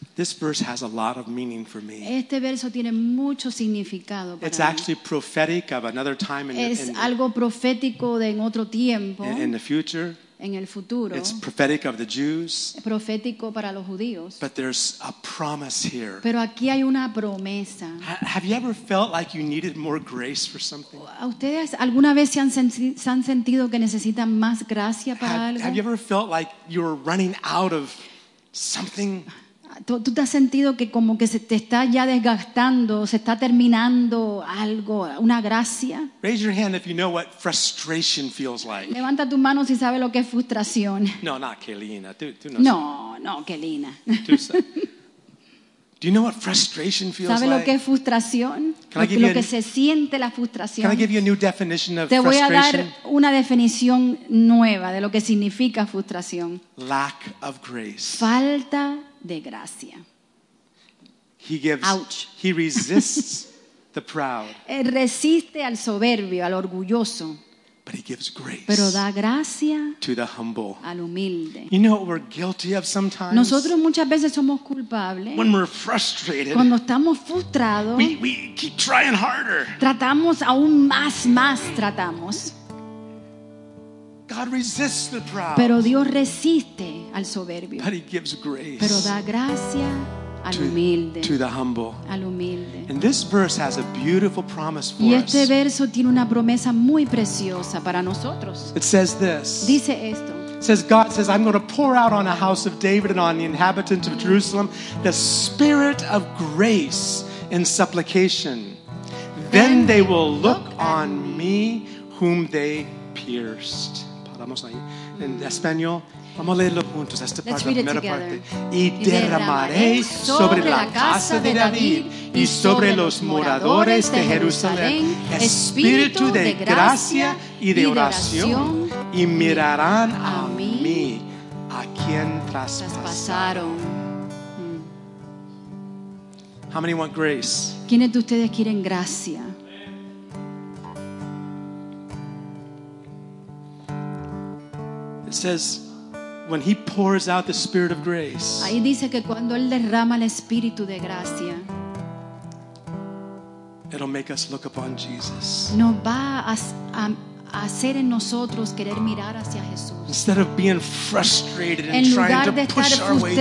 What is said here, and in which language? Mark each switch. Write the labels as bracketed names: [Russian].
[English] This verse has a lot of meaning for me. [Spanish] Este verso tiene mucho significado para [English] It's [Spanish] mí. [English] Actually prophetic of another time in [Spanish] es [English] the future. [Spanish] Es algo profético de en otro tiempo. [English] In the future. [Spanish] En el futuro. [English] It's prophetic of the Jews. [Spanish] Profético para los judíos. [English] But there's a promise here. [Spanish] Pero aquí hay una promesa. [English] Have you ever felt like you needed more grace for something? [Spanish] ¿Ustedes alguna vez se han sentido que necesitan más gracia para algo? [English] Have you ever felt like you were running out of something? [Spanish] ¿Tú te has sentido que como que se te está ya desgastando, se está terminando algo, una gracia? [English] Raise your hand if you know what frustration feels like. [Spanish] Levanta tu mano si sabes lo que es frustración. [English] No, not Kelina. [Spanish] No, Kelina. [English] Do you know what frustration feels [Spanish] ¿Sabe ¿Sabes lo que es frustración? Lo que se siente la frustración. [English] Can I give you a new definition of [Spanish] te [English] frustration? [Spanish] Te voy a dar una definición nueva de lo que significa frustración. [English] Lack of grace. [Spanish] Falta de gracia. [English] He gives, ouch. He resists the proud. [Spanish] Resiste al soberbio, al orgulloso. [English] But he gives grace. [Spanish] Pero da gracia [English] to the humble. [Spanish] Al humilde. [English] You know what we're guilty of sometimes? [Spanish] Nosotros muchas veces somos culpables. [English] When we're frustrated. [Spanish] Cuando estamos frustrados. [English] We keep trying harder. [Spanish] Tratamos aún más tratamos. [English] God resists the proud. [Spanish] Pero Dios resiste al soberbio. [English] But he gives grace. [Spanish] Pero da gracia al humilde. [English] To the humble. [Spanish] Al humilde. [English] And this verse has a beautiful promise for us. [Spanish] Y este verso tiene una promesa muy preciosa para nosotros. [English] It says this. [Spanish] Dice esto. [English] Says God says I'm going to pour out on the house of David and on the inhabitants of Jerusalem the spirit of grace and supplication. Then they will look on me whom they pierced. [Spanish] Paramos ahí. En español. Vamos a leerlo juntos. Esta [English] Let's [Spanish] parte, la primera [English] together. [Spanish] Parte. Y derramaré sobre la casa de David y sobre los moradores de Jerusalén espíritu de gracia y de oración y mirarán a mí a quien traspasaron. [English] How many want grace? [Spanish] ¿Quiénes de ustedes quieren gracia? [English] It says when he pours out the spirit of grace. [Spanish] Ahí dice que cuando él derrama el espíritu de gracia. [English] It'll make us look upon Jesus. [Spanish] Nos va a hacer en nosotros querer mirar hacia Jesús. [English] Instead of being frustrated and trying to push our way through.